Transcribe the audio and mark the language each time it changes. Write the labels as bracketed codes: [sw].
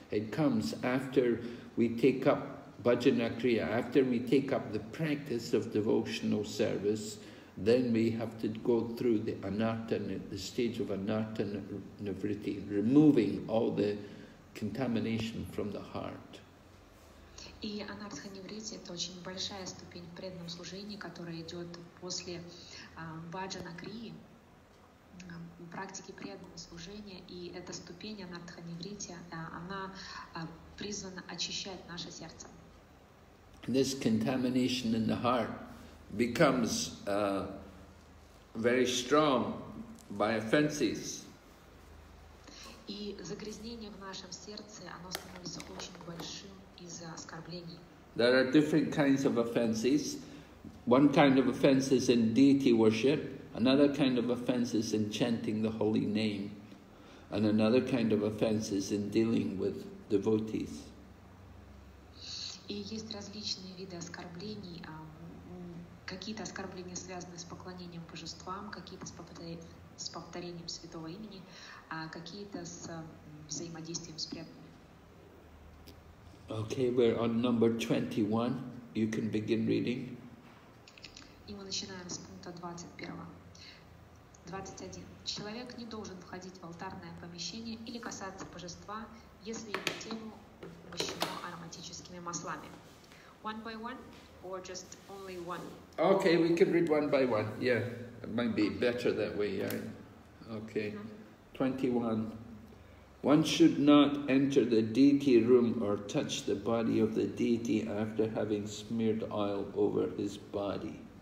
[en] It comes after we take up bhajana kriya, after we take up the practice of devotional service, then we have to go through the anartha, the stage of anartha nivritti, removing all the contamination from the heart. [ru] И анартха нивритти — это очень большая ступень в преданном служении, которая идет после бхаджана крии. Практики преданного служения, и эта ступень анартха нивритти, она призвана очищать наше сердце. [en] This contamination in the heart becomes very strong by offenses. [ru] И загрязнение в нашем сердце, оно становится очень большим из-за оскорблений. [en] There are different kinds of offenses. One kind of offense is in deity worship. Another kind of offense is in chanting the holy name, and another kind of offense is in dealing with devotees. [ru] И есть различные виды оскорблений. Какие-то оскорбления связаны с поклонением божествам, какие-то с повторением святого имени, а какие-то с взаимодействием с преданными. [en] Okay, we're on number 21. You can begin reading. [ru] И мы начинаем с пункта 21. 21. Человек не должен входить в алтарное помещение или касаться божества, если его тело умощено ароматическими маслами. [en] One by one, or just only one? Okay, we can read one by one. Yeah, it might be better that way, yeah. Okay. 21. One should not enter the deity room or touch the body of the deity after having smeared oil over his body.